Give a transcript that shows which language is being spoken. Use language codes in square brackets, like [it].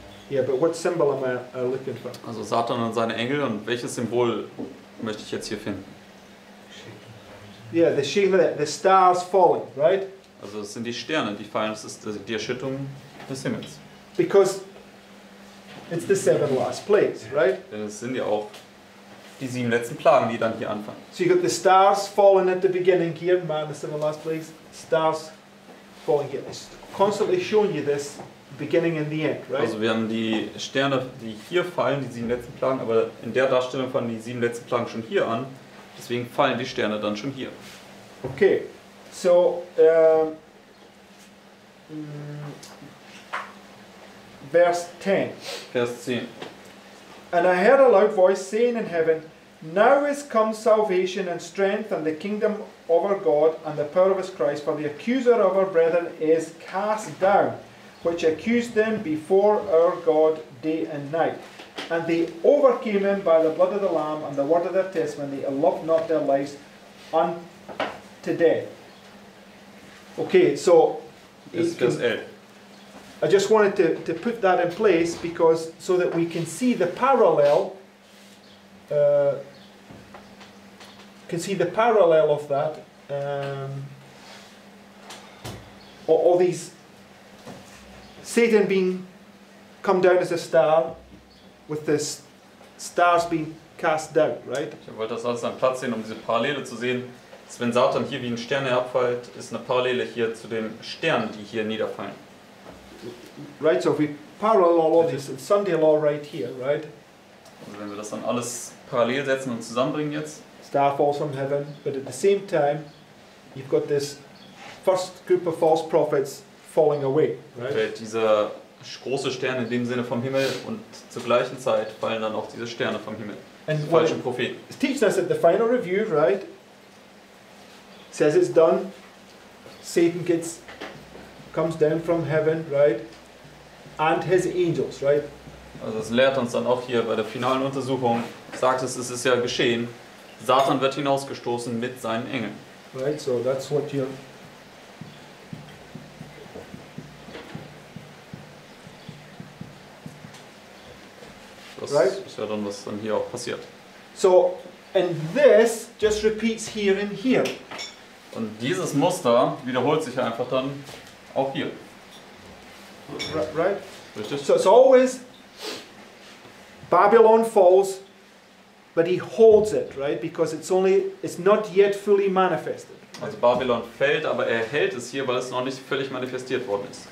[en] Yeah, but what symbol am I looking for? [de] Also, Satan und seine Engel, und welches Symbol möchte ich jetzt hier finden? [en] Yeah, the shaking of the stars falling, right? [de] Also es sind die Sterne, die fallen, es ist die Erschütterung des Himmels. [en] Because it's the seven last plagues, right? [de] Denn es sind ja auch die sieben letzten Plagen, die dann hier anfangen. [en] So you got the stars falling at the beginning here, man, the seven last plagues, stars falling here. It's constantly showing you this beginning and the end, right? [de] Also wir haben die Sterne, die hier fallen, die sieben letzten Plagen, aber in der Darstellung fangen die sieben letzten Plagen schon hier an. Deswegen fallen die Sterne dann schon hier. [en] Okay, so Vers 10. And I heard a loud voice saying in heaven, now is come salvation and strength and the kingdom of our God and the power of his Christ, for the accuser of our brethren is cast down, which accused them before our God day and night. And they overcame him by the blood of the Lamb and the word of their testimony. They loved not their lives unto death. Okay, so I just wanted to put that in place because so that we can see the parallel. Can see the parallel of that. All these Satan being come down as a star. With the stars being cast down, right? [de] Ich wollte das alles an Platz sehen, um diese Parallele zu sehen. Dass wenn Satan hier wie ein Stern herabfällt, ist eine Parallele hier zu den Sternen, die hier niederfallen. [en] right? So if we parallel all this Sunday law right here, right? [de] Also wenn wir das dann alles parallel setzen und zusammenbringen jetzt. [en] Star falls from heaven, but at the same time, you've got this first group of false prophets falling away, right? [de] Fällt dieser große Stern in dem Sinne vom Himmel und zur gleichen Zeit fallen dann auch diese Sterne vom Himmel, [en] and [de] diese falschen Propheten. [en] It's teaching us that the final review, right? Says it's done. Satan gets comes down from heaven, right? And his angels, right? [de] Also es lehrt uns dann auch hier bei der finalen Untersuchung, sagt es, es ist ja geschehen. Satan wird hinausgestoßen mit seinen Engeln. [en] Right, so that's what you. [de] Das [en] right? [de] ist ja dann, was dann hier auch passiert. [en] So, and this just repeats here and here. [de] Und dieses Muster wiederholt sich einfach dann auch hier. [en] Right? [de] Richtig. [en] So it's always Babylon falls, but he holds it, right? Because it's not yet fully manifested. [de] Also Babylon fällt, aber er hält es hier, weil es noch nicht völlig manifestiert worden ist.